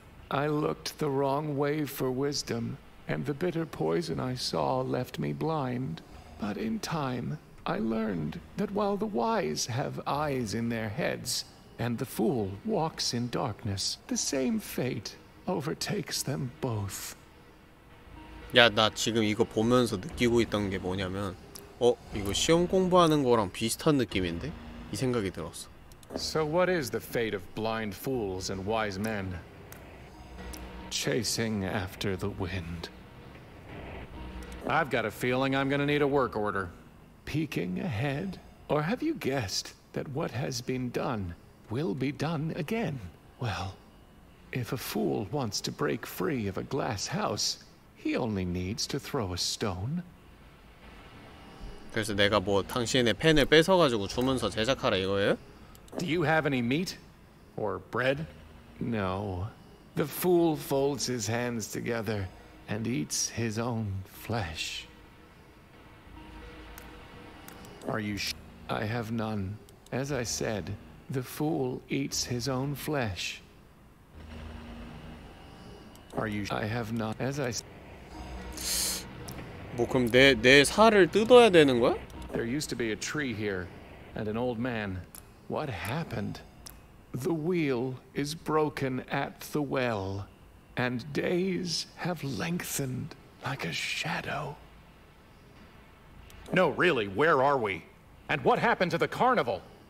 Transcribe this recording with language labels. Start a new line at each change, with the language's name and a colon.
English: I looked the wrong way for wisdom, and the bitter poison I saw left me blind. But in time, I learned that while the wise have eyes in their heads, and the fool walks in darkness, the same fate overtakes them both.
Korean: 야, 나 지금 이거 보면서 느끼고 있던 게 뭐냐면, 어? 이거 시험 공부하는 거랑 비슷한 느낌인데? 이 생각이 들었어.
English: So what is the fate of blind fools and wise men? Chasing after the wind. I've got a feeling I'm gonna need a work order. Peeking ahead? Or have you guessed that what has been done will be done again? Well, if a fool wants to break free of a glass house, he only needs to throw a stone.
Korean: 그래서 내가 뭐 당신의 펜을 뺏어가지고 주문서 제작하라 이거예요?
English: Do you have any meat? Or bread? No. The fool folds his hands together and eats his own flesh. Are you I have none. As I said, the fool eats his own flesh. Are you I have none. As I said.
Korean: 뭐 그럼 내 살을 뜯어야 되는 거야?
English: There used to be a tree here and an old man. What happened? The wheel is broken at the well, and days have lengthened like a shadow. No, really, where are we? And what happened to the carnival?